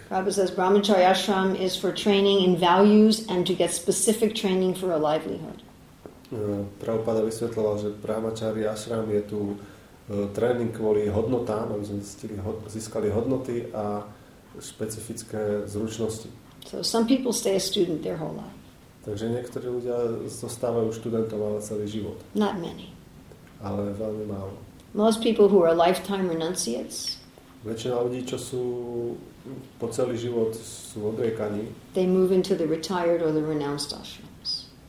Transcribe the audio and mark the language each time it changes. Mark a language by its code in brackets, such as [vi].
[en] Prabhupada says Brahmachari ashram is for training in values and to get specific training for a livelihood. [sk] Prabhupada vysvetloval, že Brahmachari ashram je tu tréning kvôli hodnotám, aby sme získali hodnoty a špecifické zručnosti. [en] So some people stay a student their whole life. [sk] Takže niektorí ľudia zostávajú študentom ale celý život. [en] Not many. [sk] Ale veľmi málo. [en] Most people who are lifetime renunciates. [sk] Väčšina ľudí, čo sú po celý život sú odriekaní. [en] They move into the retired or the renounced ashrams.